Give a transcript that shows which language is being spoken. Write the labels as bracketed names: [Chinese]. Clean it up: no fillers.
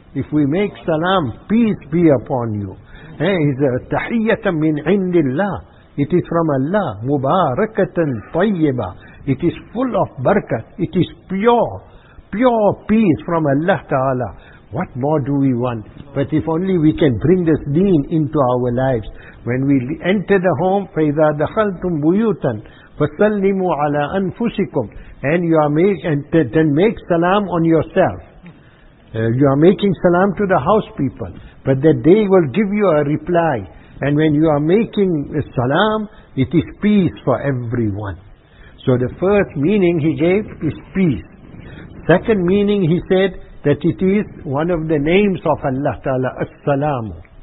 [English] If we make salam, peace be upon you. Is a [Arabic] tahiyyata min indillah. [English] It is from Allah. [Arabic] Mubarakatan tayyiba. [English] It is full of barakah. It is pure peace from Allah Ta'ala. What more do we want? But if only we can bring this deen into our lives. When we enter the home, [Arabic] فَإِذَا دَخَلْتُمْ بُيُوتًا فَسَلِّمُوا عَلَىٰ أَنفُسِكُمْ. [English] And you are make, and then make salam on yourself. You are making salam to the house people. But that they will give you a reply. And when you are making salam, it is peace for everyone. So the first meaning he gave is peace. Second meaning he said, that it is one of the names of Allah Ta'ala, As-Salamu.